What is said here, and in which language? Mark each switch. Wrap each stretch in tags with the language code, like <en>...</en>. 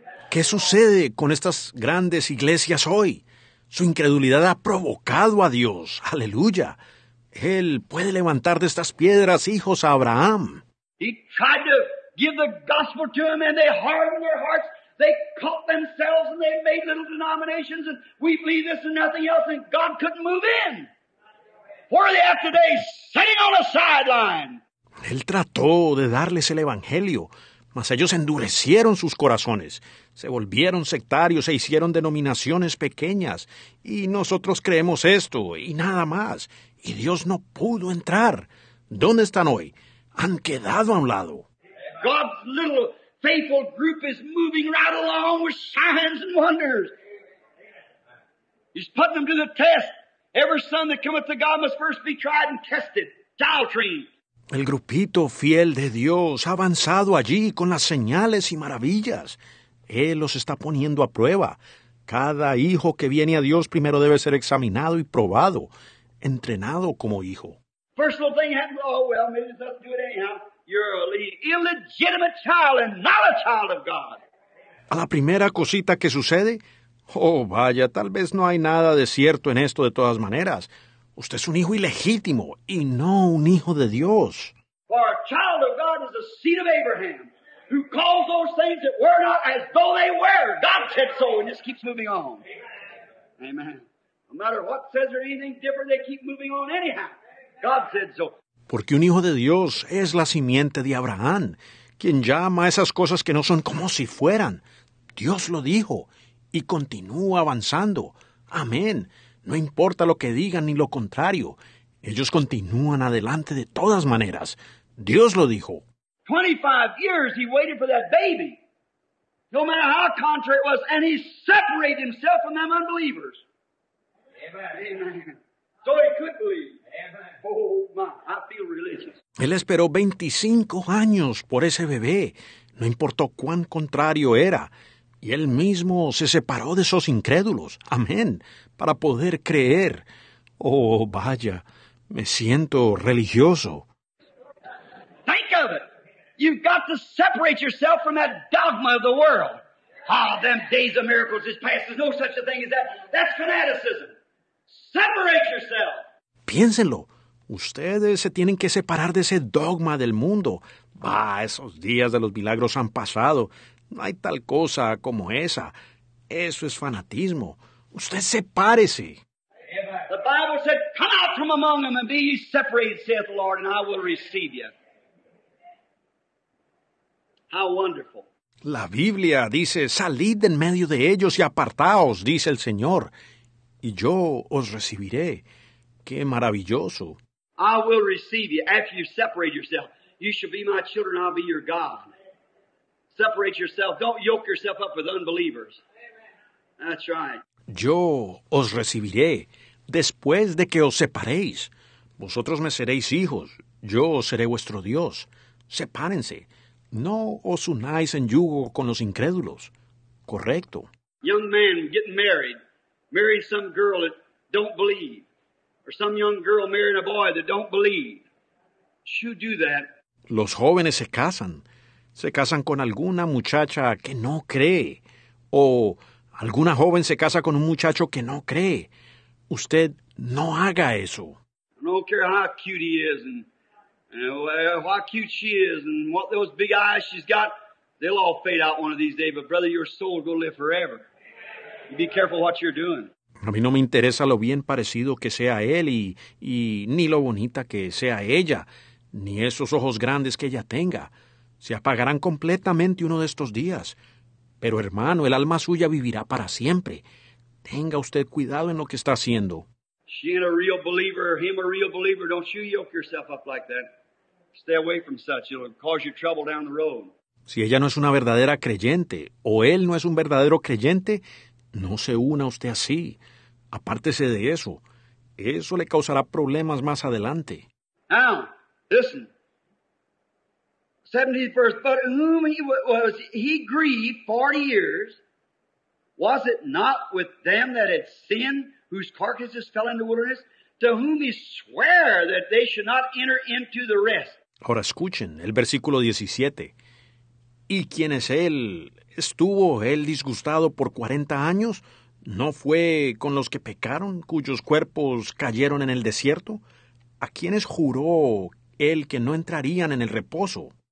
<es>¿Qué sucede con estas grandes iglesias hoy? Su incredulidad ha provocado a Dios. ¡Aleluya! Él puede levantar de estas piedras hijos a Abraham.</es> <en>He tried to give the gospel to them and they hardened their hearts. They caught themselves and they made little denominations and we believe this and nothing else and God couldn't move in. Where are they at today? Sitting on a sideline.</en> <es>Él trató de darles el evangelio, mas ellos endurecieron sus corazones. Se volvieron sectarios e hicieron denominaciones pequeñas. Y nosotros creemos esto y nada más. Y Dios no pudo entrar. ¿Dónde están hoy? Han quedado a un lado.</es> <en>God's little faithful group is moving right along with signs and wonders. He's putting them to the test. Every son that cometh to God must first be tried and tested. Doctrine.</en> <es>El grupito fiel de Dios ha avanzado allí con las señales y maravillas. Él los está poniendo a prueba. Cada hijo que viene a Dios primero debe ser examinado y probado, entrenado como hijo.</es> <en>First little thing happened, oh well, maybe it's not good anyhow. You're an illegitimate child and not a child of God.</en> <es>A la primera cosita que sucede, oh vaya, tal vez no hay nada de cierto en esto de todas maneras. Usted es un hijo ilegítimo y no un hijo de Dios.</es> <en>For a child of God is the seed of Abraham. Who calls those things that were not as though they were. God said so and just keeps moving on. Amen. No matter what says or anything different, they keep moving on anyhow. God said so.</en> <es>Porque un hijo de Dios es la simiente de Abraham, quien llama a esas cosas que no son como si fueran. Dios lo dijo y continúa avanzando. Amén. No importa lo que digan ni lo contrario. Ellos continúan adelante de todas maneras. Dios lo dijo.</es> <en>25 years he waited for that baby, no matter how contrary it was, and he separated himself from them unbelievers. Amen. So he could believe. Amen. Oh my, I feel religious.</en> <es>Él esperó 25 años por ese bebé, no importó cuán contrario era, y él mismo se separó de esos incrédulos, amén, para poder creer. Oh vaya, me siento religioso.</es> <en>Think of it. You've got to separate yourself from that dogma of the world. Ah, them days of miracles is past. There's no such a thing as that. That's fanaticism. Separate yourself.</en> <es>Piénsenlo. Ustedes se tienen que separar de ese dogma del mundo. Bah, esos días de los milagros han pasado. No hay tal cosa como esa. Eso es fanatismo. Usted sepárese.</es> <en>The Bible said, come out from among them and be ye separated, saith the Lord, and I will receive you. How wonderful.</en> <es>La Biblia dice, salid en medio de ellos y apartaos, dice el Señor, y yo os recibiré. ¡Qué maravilloso!</es> <en>I will receive you after you separate yourself. You shall be my children, I'll be your God. Separate yourself. Don't yoke yourself up with unbelievers. That's right.</en> <es>Yo os recibiré después de que os separéis. Vosotros me seréis hijos. Yo seré vuestro Dios. Sepárense. No os unáis en yugo con los incrédulos. Correcto.</es> <en>Young man getting married. Married some girl that don't believe. Or some young girl marrying a boy that don't believe. Should do that.</en> <es>Los jóvenes se casan. Se casan con alguna muchacha que no cree. O alguna joven se casa con un muchacho que no cree. Usted no haga eso.</es> <en>I don't care how cute he is and... how cute she is and what those big eyes she's got, they'll all fade out one of these days, but brother, your soul will live forever. You be careful what you're doing.</en> <es>A mí no me interesa lo bien parecido que sea él y ni lo bonita que sea ella, ni esos ojos grandes que ella tenga. Se apagarán completamente uno de estos días. Pero hermano, el alma suya vivirá para siempre. Tenga usted cuidado en lo que está haciendo.</es> <en>She ain't a real believer, or him a real believer. Don't you yoke yourself up like that. Stay away from such. It'll cause you trouble down the road.</en> <es>Si ella no es una verdadera creyente, o él no es un verdadero creyente, no se una usted así. Apártese de eso. Eso le causará problemas más adelante.</es> <en>Now, listen. 17th verse. But whom he was, he grieved 40 years. Was it not with them that had sinned? Whose carcasses fell in the wilderness, to whom he sware that they should not enter into the rest.</en> <es>Ahora escuchen el versículo 17. ¿Y quién es él? ¿Estuvo él disgustado por 40 años? ¿No fue con los que pecaron, cuyos cuerpos cayeron en el desierto? ¿A quiénes juró él que no entrarían en el reposo?</es>